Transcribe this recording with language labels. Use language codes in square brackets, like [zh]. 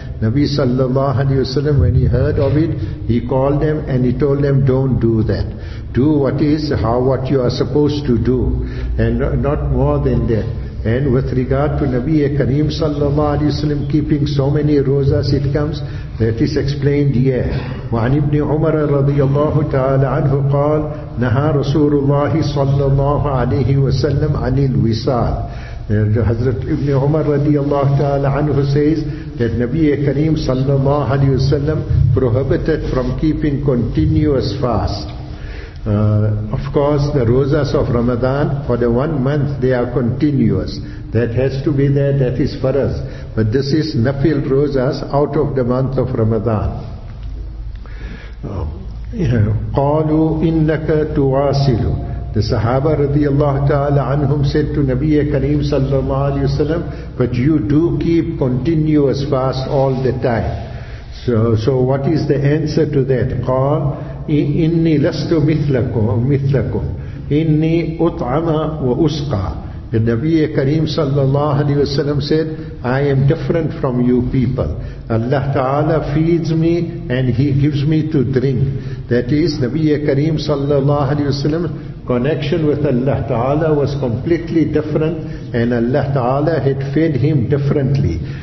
[en] Nabi sallallahu alayhi wa sallam, when he heard of it, he called them and he told them, don't do that. Do what is, how what you are supposed to do. And not more than that. And with regard to Nabi Kareem sallallahu alayhi wa sallam keeping so many rozas, it comes, that is explained here. [ar] وعن ابن عمر رضي الله تعالى عنه قال نهى رسول الله صلى الله عليه وسلم عن الوصال. [en] Hazrat Ibn Umar radiyallahu ta'ala anhu says that Nabi Kareem sallallahu alayhi wa sallam prohibited from keeping continuous fast. Of course, the rozas of Ramadan, for the 1 month they are continuous. That has to be there, that is faraz. But this is nafil rozas out of the month of Ramadan. [ar] قَالُوا إِنَّكَ تُوَاسِلُ. [en] The Sahaba radiallahu ta'ala anhum said to Nabi Kareem sallallahu alayhi wa sallam, but you do keep continuous fast all the time. So what is the answer to that? [ar] قال إني لست مثلكم إني أطعم وأسقى. [en] The Nabi Kareem sallallahu alayhi wa sallam said, I am different from you people. Allah Ta'ala feeds me and He gives me to drink. That is, Nabi Kareem sallallahu alayhi wa sallam connection with Allah Ta'ala was completely different and Allah Ta'ala had fed him differently.